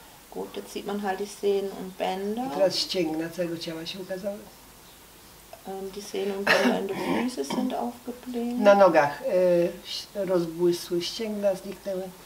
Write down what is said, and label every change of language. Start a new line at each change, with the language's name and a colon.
German: Gut, jetzt sieht man halt die Sehnen und Bänder.
Polish: I teraz ścięgna całego ciała się ukazały.
German: Die Sehnen und Bänder in der Füße sind aufgeblähnt.
Polish: Na nogach rozbłysły ścięgna, zniknęły.